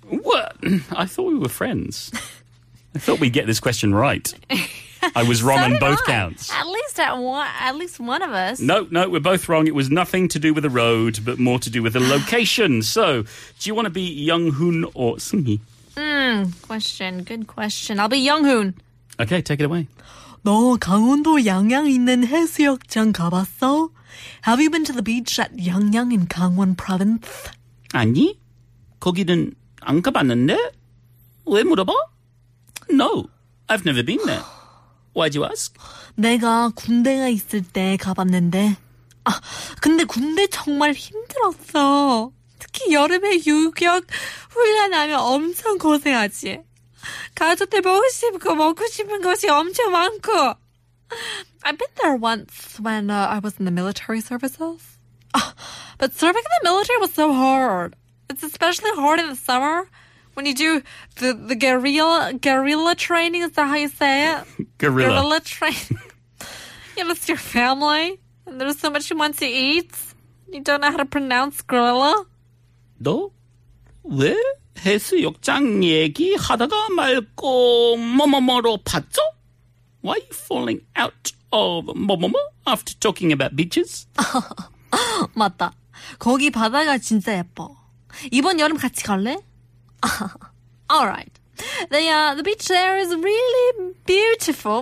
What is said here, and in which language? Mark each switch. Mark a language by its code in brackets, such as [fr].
[en] What? I thought we were friends. I thought we'd get this question right. I was wrong so on did both I. counts. At least one of us. No, we're both wrong. It was nothing to do with the road, but more to do with the location. So, do you want to be Younghoon or Seunghee? Good question. I'll be Younghoon. Okay, take it away. [ko] 너 강원도 양양 있는 해수욕장 가봤어? [en] Have you been to the beach at Yangyang in Gangwon province? [ko] 아니, 거기는 안 가봤는데? 왜 물어봐? [en] No, I've never been there. Why do you ask? [ko] 내가 군대가 있을 때 가봤는데. 아, 근데 군대 정말 힘들었어. 특히 여름에 유격 훈련하면 엄청 고생하지. 가족들 보고 싶고 먹고 싶은 것이 엄청 많고. [en] I've been there once when I was in the military services. But serving in the military was so hard. It's especially hard in the summer when you do the guerrilla training. Is that how you say it? Guerrilla training. You know, it's your family and there's so much you want to eat. You don't know how to pronounce gorilla. [ko] 너? 왜? 해수욕장 얘기하다가 말고 뭐뭐뭐로 봤죠? [en] Why are you falling out of [ko] 뭐뭐뭐 [en] after talking about beaches? [ko] 맞다. 거기 바다가 진짜 예뻐. 이번 여름 같이 갈래? [en] All right. The beach there is really beautiful.